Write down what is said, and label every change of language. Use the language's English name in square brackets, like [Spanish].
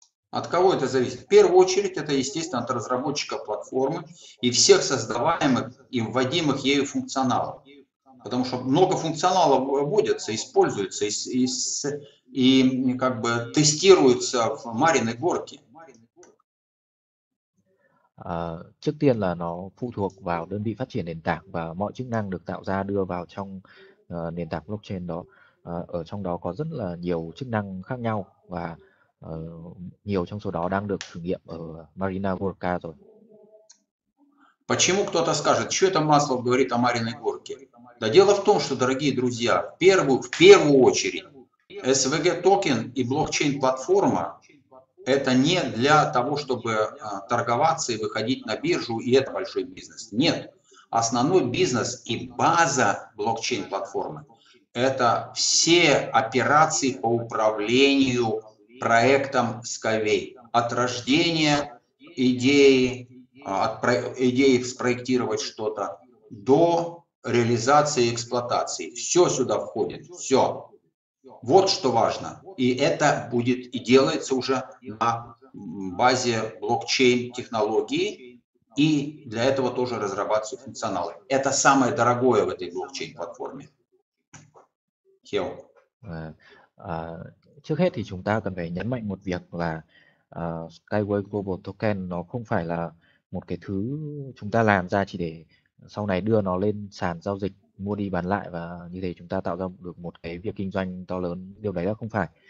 [Russian] От кого это зависит? В первую очередь это, естественно, от разработчика платформы и всех создаваемых и вводимых ею функционалов. Потому что много функционалов вводятся, используются и как бы тестируются в Мариной горке. [Vietnamese] Trước tiên là nó phụ thuộc vào đơn vị phát triển nền tảng và mọi chức năng được tạo ra đưa vào trong nền tảng blockchain đó. Ở trong đó có rất là nhiều chức năng khác nhau và nhiều trong số đó đang được thử nghiệm ở Marina Gorka rồi. [Russian] Почему кто-то скажет, что это масло говорит о Мариной горке? Да дело в том, что, дорогие друзья, в первую очередь SVG токен и блокчейн платформа это не для того, чтобы торговаться и выходить на биржу, и это большой бизнес. Нет. Основной бизнес и база блокчейн-платформы – это все операции по управлению проектом Skyway. От рождения идеи, идеи спроектировать что-то, до реализации и эксплуатации. Все сюда входит, все. Вот что важно. И это будет и делается уже на базе блокчейн-технологии. И для этого тоже разрабатываются функционалы. Это самое дорогое в этой блокчейн-платформе. Хео. [Vietnamese] Trước hết thì chúng ta cần phải nhấn mạnh một việc là Skyway Global Token nó không phải là một cái thứ chúng ta làm ra chỉ để sau này đưa nó lên sàn giao dịch mua đi bán lại và như thế chúng ta tạo ra được một cái việc kinh doanh to lớn, điều đấy là không phải.